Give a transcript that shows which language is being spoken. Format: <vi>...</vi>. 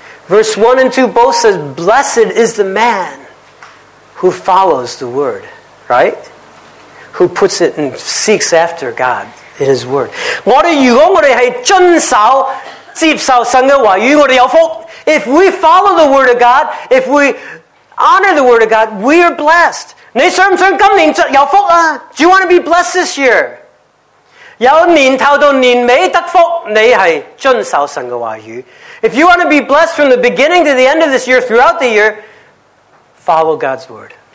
<en>Verse 1 and 2 both says, Blessed is the man who follows the word, right? Who puts it and seeks after God in his word.</en> <zh>如果我们是遵守、接受神的话语，我们有福。</zh> <en>If we follow the word of God, if we honor the word of God, we are blessed.</en> <zh>你想不想今年有福啊?</zh> <en>Do you want to be blessed this year?</en> <zh>有年头到年尾得福，你是遵守神的话语。</zh> <en>If you want to be blessed from the beginning to the end of this year, throughout the year, follow God's word.</en>